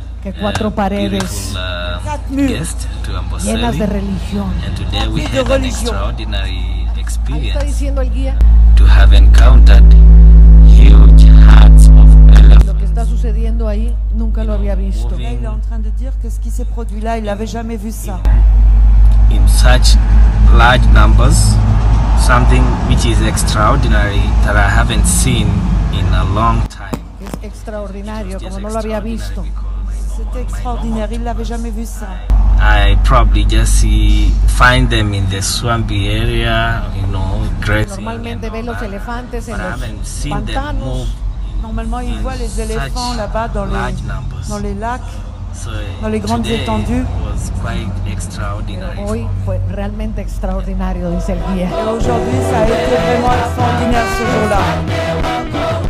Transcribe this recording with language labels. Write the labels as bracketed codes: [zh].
[es] que cuatro paredes [en] guest to Amboseli, [es] llenas de religión. [en] And today we had an extraordinary experience. [es] ¿Está diciendo el guía? [en] To have encountered huge herds of elephants. [es] Lo que está sucediendo ahí nunca lo había visto. [fr] Él est en train de dire que ce qui s'est produit là, il n'avait jamais vu ça. [en] In such large numbers. Something which is extraordinary that I haven't seen in a long time. [es] Es extraordinario, como no lo había visto. [fr] C'est extraordinaire, il l'avait jamais vu ça. [en] I probably just see find them in the swampy area, you know, grazing. [es] Normalmente ve los elefantes en los pantanos. [fr] Normalement, il voit les éléphants là-bas dans les lacs. [en] So, [fr] dans les grandes [en] today [fr] étendues. [en] Was quite extraordinary. [es] Hoy fue realmente extraordinario, dice el guía. [fr] Et aujourd'hui, ça a été vraiment extraordinaire ce jour-là.